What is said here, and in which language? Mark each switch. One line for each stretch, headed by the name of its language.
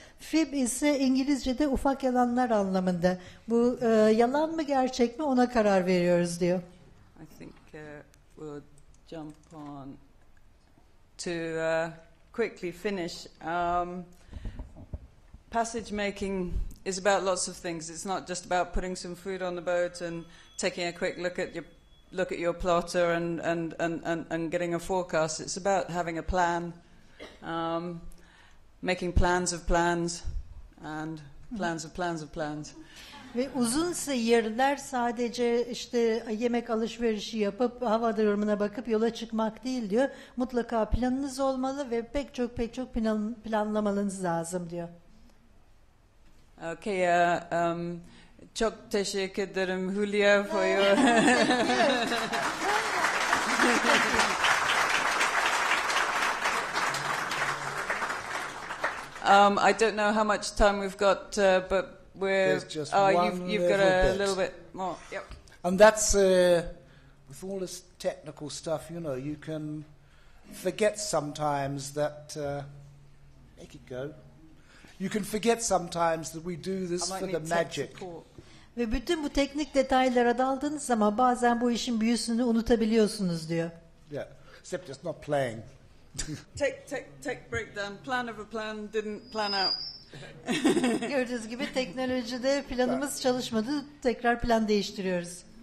Turkish: Fib ise İngilizce'de ufak yalanlar anlamında. Bu yalan mı gerçek mi ona karar veriyoruz diyor.
English: I think we'll jump on to quickly finish. Passage making is about lots of things. It's not just about putting some food on the boat and taking a quick look at your plotter and getting a forecast. It's about having a plan, making plans of plans and plans of plans of plans. Ve uzun seyirler sadece işte yemek alışverişi yapıp hava durumuna bakıp yola çıkmak değil diyor. Mutlaka planınız olmalı ve pek çok planlamanız lazım diyor.
Turkish: Okay, çok teşekkür ederim Hülya
English: for your... I don't know how much time we've got, but we're... There's just one you've got a little bit more, yep. And that's, with all this technical stuff, you know, you can forget sometimes that... make it go. You can forget sometimes that we do this for the magic.
Turkish: Ve bütün bu teknik detaylara daldığınız zaman bazen bu işin büyüsünü unutabiliyorsunuz diyor.
English: Yeah, except it's not playing. Tech breakdown, plan of a plan didn't plan out.
Turkish: Gördüğünüz gibi teknolojide planımız çalışmadı, tekrar plan değiştiriyoruz.